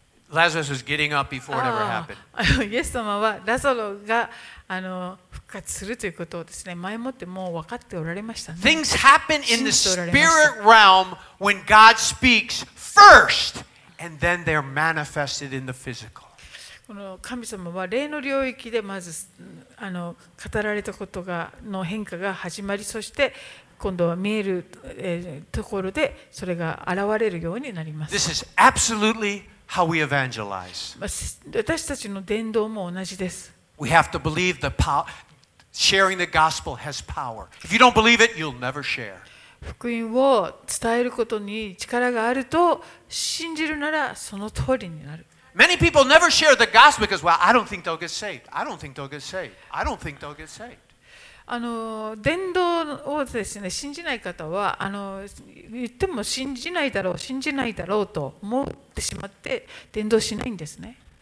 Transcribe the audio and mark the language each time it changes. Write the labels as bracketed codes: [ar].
[en] Lazarus was getting up before it ever happened. Yes, Mama, but [ja] Lazarus復活するということをですね、前もってもう分かっておられましたね。 [en] Things happen in the spirit realm when God speaks first, and then they're manifested in the physical. [ja] この神様は霊の領域でまず語られたことがの変化が始まり、そして今度は見えるところでそれが現れるようになります。 [en] This is absolutely how we evangelize. [ja] 私たちの伝道も同じです。 [en] We have to believe the power. Sharing the gospel has power. If you don't believe it, you'll never share. [ja] 福音を伝えることに力があると信じるならその通りになる。 [en] Many people never share the gospel because, well, I don't think they'll get saved. I don't think they'll get saved. I don't think they'll get saved. [ja] 伝道をですね、信じない方は言っても信じないだろう、信じないだろうと思ってしまって伝道しないんですね。